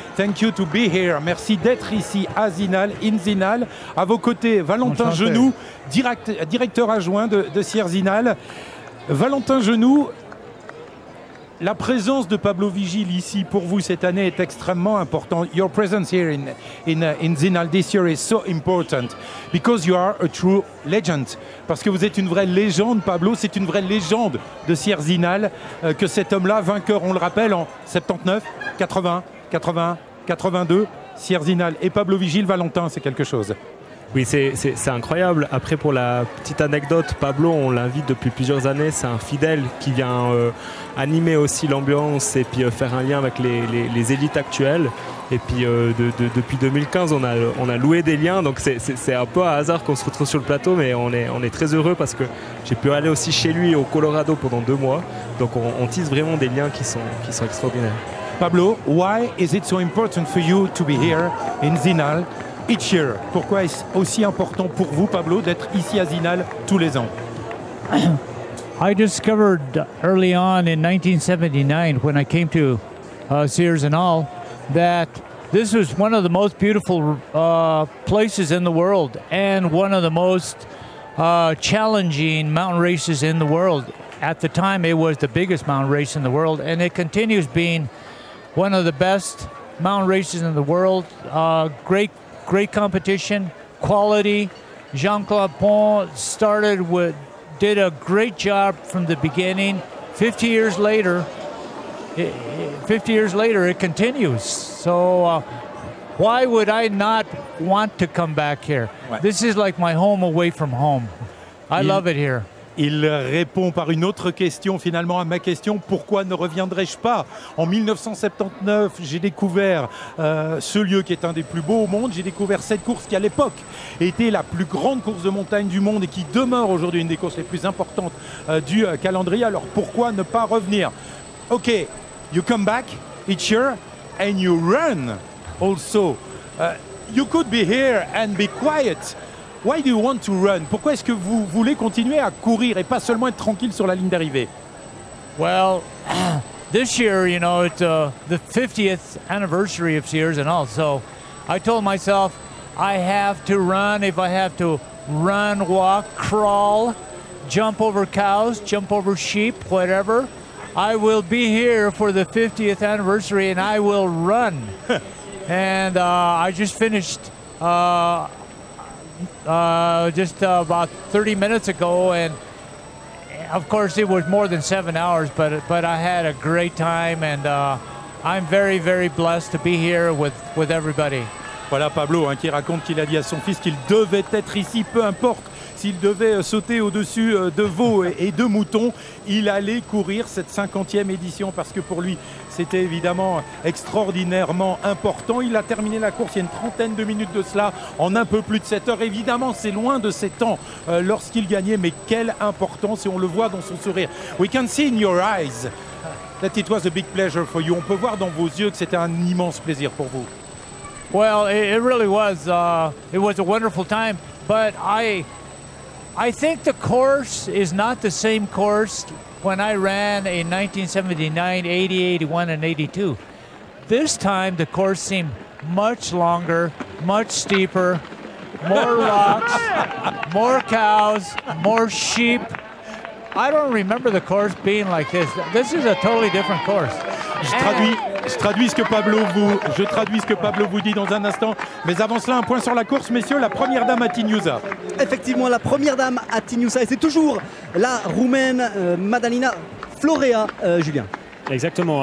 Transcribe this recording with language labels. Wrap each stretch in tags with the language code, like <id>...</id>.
<en>Thank you to be here.</en> <fr>Merci d'être ici à Zinal,</fr> <en>in Zinal.</en> <fr>À vos côtés, Valentin Genoux, directeur adjoint de Sierzinal. Valentin Genoux, la présence de Pablo Vigil ici pour vous cette année est extrêmement importante.</fr> <en>Your presence here in Zinal this year is so important because you are a true legend.</en> <fr>Parce que vous êtes une vraie légende, Pablo, c'est une vraie légende de Sierzinal que cet homme-là, vainqueur, on le rappelle, en 79, 80, 81, 82, Sierzinal et Pablo Vigil, Valentin, c'est quelque chose. Oui, c'est incroyable. Après, pour la petite anecdote, Pablo, on l'invite depuis plusieurs années. C'est un fidèle qui vient animer aussi l'ambiance et puis faire un lien avec les élites actuelles. Et puis, depuis 2015, on a loué des liens. Donc, c'est un peu à hasard qu'on se retrouve sur le plateau. Mais on est très heureux parce que j'ai pu aller aussi chez lui au Colorado pendant 2 mois. Donc, on tisse vraiment des liens qui sont extraordinaires.</fr> <en>Pablo, why is it so important for you to be here in Zinal? Each year,</en> <fr>pourquoi est-ce aussi important pour vous, Pablo, d'être ici à Zinal tous les ans?</fr> <en>I discovered early on in 1979 when I came to Sierzinal that this was one of the most beautiful places in the world and one of the most challenging mountain races in the world. At the time, it was the biggest mountain race in the world, and it continues being one of the best mountain races in the world. Great competition, quality. Jean-Claude Pont did a great job from the beginning. 50 years later, it continues. So why would I not want to come back here? Ouais. This is like my home away from home. I love it here.</en> <fr>Il répond par une autre question, finalement, à ma question. Pourquoi ne reviendrai-je pas? En 1979, j'ai découvert ce lieu qui est un des plus beaux au monde. J'ai découvert cette course qui, à l'époque, était la plus grande course de montagne du monde et qui demeure aujourd'hui une des courses les plus importantes du calendrier. Alors, pourquoi ne pas revenir?</fr> <en>OK, you come back each year and you run also. You could be here and be quiet. Why do you want to run?</en> <fr>Pourquoi est-ce que vous voulez continuer à courir et pas seulement être tranquille sur la ligne d'arrivée?</fr> <en>Well, this year, you know, it's the 50th anniversary of Sierzinal. So I told myself, I have to run. If I have to run, walk, crawl, jump over cows, jump over sheep, whatever, I will be here for the 50th anniversary and I will run. And I just finished... just about 30 minutes ago, and of course it was more than 7 hours, but I had a great time, and I'm very, very blessed to be here with everybody.</en> <fr>Voilà Pablo hein, qui raconte qu'il a dit à son fils qu'il devait être ici, peu importe s'il devait sauter au-dessus de veaux et de moutons, il allait courir cette 50e édition parce que pour lui, c'était évidemment extraordinairement important. Il a terminé la course il y a une trentaine de minutes de cela en un peu plus de 7 heures. Évidemment, c'est loin de ses temps lorsqu'il gagnait, mais quelle importance, et on le voit dans son sourire.</fr> <en>We can see in your eyes that it was a big pleasure for you.</en> <fr>On peut voir dans vos yeux que c'était un immense plaisir pour vous.</fr> <en>Well, it really was. It was a wonderful time, but I... I think the course is not the same course when I ran in 1979, 80, 81, and 82. This time, the course seemed much longer, much steeper, more rocks, more cows, more sheep. I don't remember the course being like this. This is a totally different course.</en> <fr>Je traduis ce que Pablo vous dit dans un instant. Mais avant cela, un point sur la course, messieurs, la première dame Atinyuza. Effectivement, la première dame Atinyuza. Et c'est toujours la Roumaine Madalina Florea, Julien. Exactement.</fr>